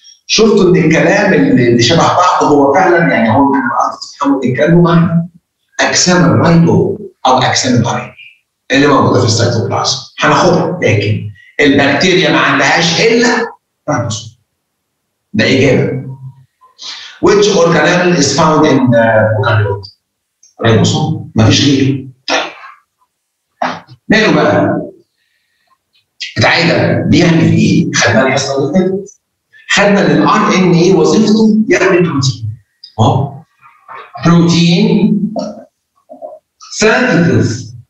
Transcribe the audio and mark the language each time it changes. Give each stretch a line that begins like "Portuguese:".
Arabic: شفتوا ان الكلام اللي شبه بعض هو فعلا يعني هو ممكن تفهموا الكلام معنا. اجسام الرايبو او اجسام الار ان ايه اللي موجوده في السيتوبلازم هناخدها. لكن البكتيريا ما عندهاش الا رايبوسوم. ده اجابه.
English: Which organelle is found in prokaryote؟
Arabic: رايبوسوم مفيش غيره. طيب ماله بقى؟ بتاع ايه ده؟ بيعمل ايه؟ خدنا الحصه اللي فاتت. خدنا ان الار ان ايه وظيفته يعمل بروتين. بروتين سانتيتس.